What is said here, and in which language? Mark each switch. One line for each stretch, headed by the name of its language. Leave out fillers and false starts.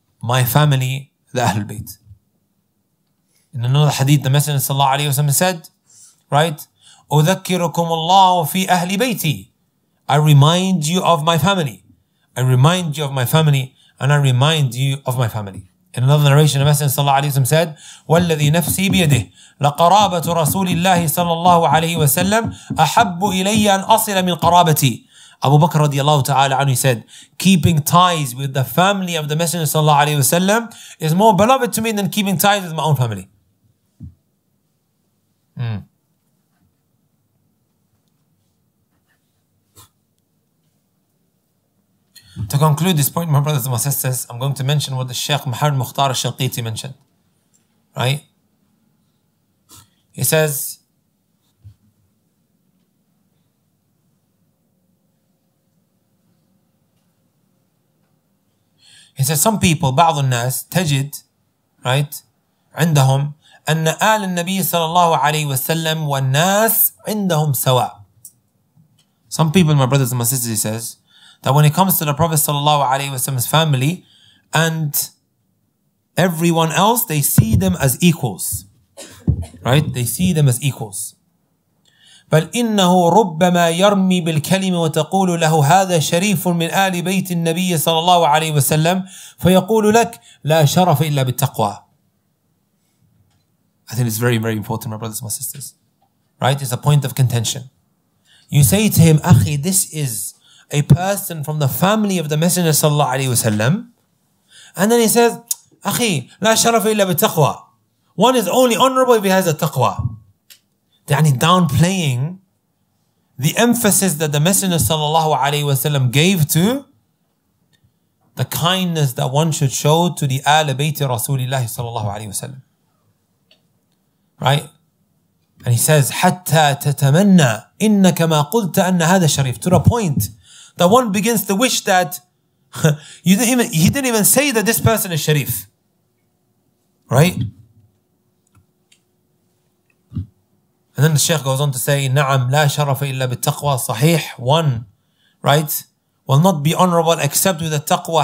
English: My family, the Ahlul Bayt. In another hadith, the Messenger sallallahu alayhi wa sallam said, right?
Arabic: أُذَكِّرُكُمُ اللَّهُ فِي أَهْلِ بَيْتِي.
English: I remind you of my family. I remind you of my family, and I remind you of my family. In another narration, the Messenger sallallahu alayhi wa sallam said,
Arabic: وَالَّذِي نَفْسِي بِيَدِهِ لَقَرَابَةُ رَسُولِ اللَّهِ صَلَّى اللَّهُ عَلَيْهِ وَسَلَّمْ أَحَبُّ إِلَيَّ أَنْ أَصِلَ مِنْ قَرَابَتِي.
English: Abu Bakr radiallahu ta'ala anhu said, keeping ties with the family of the Messenger sallallahu alayhi wa sallam is more beloved to me than keeping ties with my own family. To conclude this point, my brothers and my sisters, I'm going to mention what the Sheikh Muhammad Mukhtar al-Shalqiti mentioned. Right? He says, he says, some people,
Arabic: بعض الناس, تجد,
English: right,
Arabic: عندهم, أن آل النبي صلى الله عليه وسلم والناس عندهم سواء.
English: Some people, my brothers and my sisters, he says, that when it comes to the Prophet صلى الله عليه وسلم's family and everyone else, they see them as equals. Right? They see them as equals.
Arabic: بل إنه ربما يرمي بالكلمة وتقول له هذا شريف من آل بيت النبي صلى الله عليه وسلم فيقول لك لا شرف إلا بالتقوى.
English: I think it's very, very important, my brothers and my sisters. Right? It's a point of contention. You say to him, أخي, this is a person from the family of the Messenger صلى الله عليه وسلم. And then he says,
Arabic: أخي, لا شرف إلا بالتقوى.
English: One is only honorable if he has a taqwa. يعني downplaying the emphasis that the Messenger sallallahu alayhi wa sallam gave to the kindness that one should show to the Ahl Bayt Rasulillah sallallahu alayhi wa sallam. Right? And he says,
Arabic: حَتَّى تَتَمَنَّى إِنَّكَ مَا قُلْتَ أَنَّ هَذَا شَرِيفٌ.
English: To the point that one begins to wish that he didn't even say that this person is sharif. Right? And then the Sheikh goes on to say,
Arabic: نعم لا شرف إلا بالتقوى صحيح.
English: One, right, will not be honorable except with the taqwa.